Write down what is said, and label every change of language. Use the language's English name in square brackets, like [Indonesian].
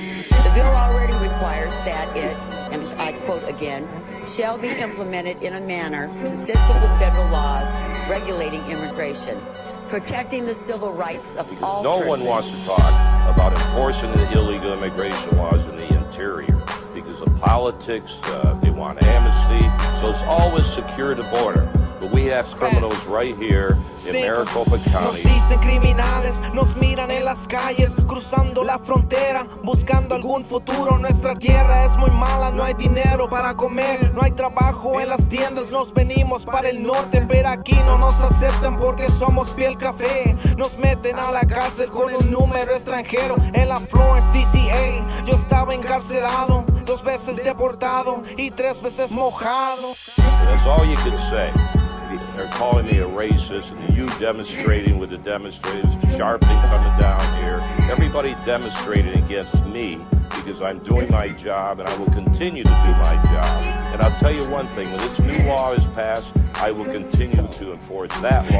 [English] The bill already requires that it, and I quote again, shall be implemented in a manner consistent with federal laws regulating immigration, protecting the civil rights of because all no persons. One wants to talk about enforcing the illegal immigration laws in the interior because of politics, they want amnesty, so it's always secure the border. But we have criminals right here in Maricopa County. [Spanish] Nos dicen criminales, nos miran en las calles, cruzando la frontera, buscando algún futuro. Nuestra tierra es muy mala, no hay dinero para comer, no hay trabajo en las tiendas. Nos venimos para el norte, pero aquí no nos aceptan porque somos piel café. Nos meten a la cárcel con un número extranjero en la floor CCA. Yo estaba encarcelado, dos veces deportado y tres veces mojado. [English] That's all you can say. They're calling me a racist, and you demonstrating with the demonstrators, Sharpton coming down here. Everybody demonstrating against me because I'm doing my job, and I will continue to do my job. And I'll tell you one thing, when this new law is passed, I will continue to enforce that law.